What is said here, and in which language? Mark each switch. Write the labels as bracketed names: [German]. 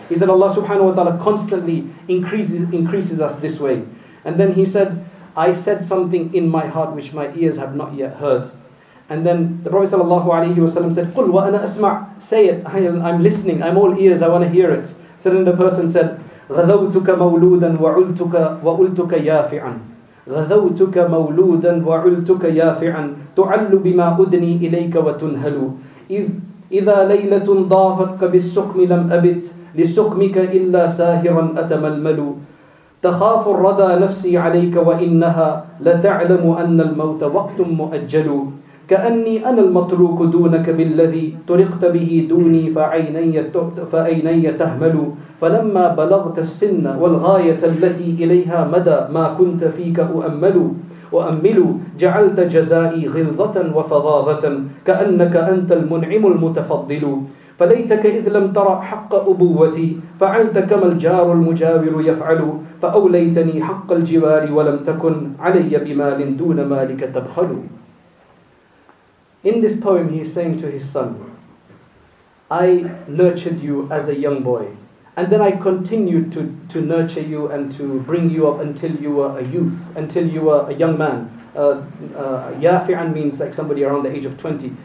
[English] He said Allah subhanahu wa ta'ala constantly increases us this way. And then he said, I said something in my heart which my ears have not yet heard. And then the Prophet sallallahu alaihi wasallam said, [Arabic] قُلْ وَأَنَا أَسْمَعْ. [English] Say it, I'm listening, I'm all ears, I want to hear it. So then the person said, [Arabic] غَذَوْتُكَ مَوْلُودًا وَعُلْتُكَ يَافِعًا غَذَوْتُكَ مَوْلُودًا وَعُلْتُكَ يَافِعًا تُعَلُّ بِمَا أُدْنِي إِلَيْكَ وَتُنْهَلُ إِذَا لَيْلَةٌ ضَافَتْكَ بِالسُّقْمِ لَمْ أَبِتْ لِسُقْمِكَ إِلَّا سَاهِرًا أَتَمَلْمَلُ تَخَافُ الرَّدَى نَفْسِي عَلَيْكَ وَإِنَّهَا لَتَعْلَمُ أَنَّ الْمَوْتَ وَقْتٌ مُؤَجَّلُ كَأَنِّي أَنَا الْمَطْرُوكُ دُونَكَ بِالَّذِي طُرِقْتَ بِهِ دُونِي فَأَيْنَيَّ تَهْمَلُ فلما بلغت السن والغاية التي إليها مدى ما كنت فيك أؤمل جعلت جزائي غلظة وفظاظة كأنك أنت المنعم المتفضل فليتك إذ لم ترى حق أبوتي فعلت كما الجار المجاور يفعل فأوليتني حق الجوار ولم تكن علي بمال دون مالك تبخل. [English] In this poem he is saying to his son, I nurtured you as a young boy, and then I continued to nurture you and to bring you up until you were a youth, until you were a young man. Yafi'an means like somebody around the age of 20.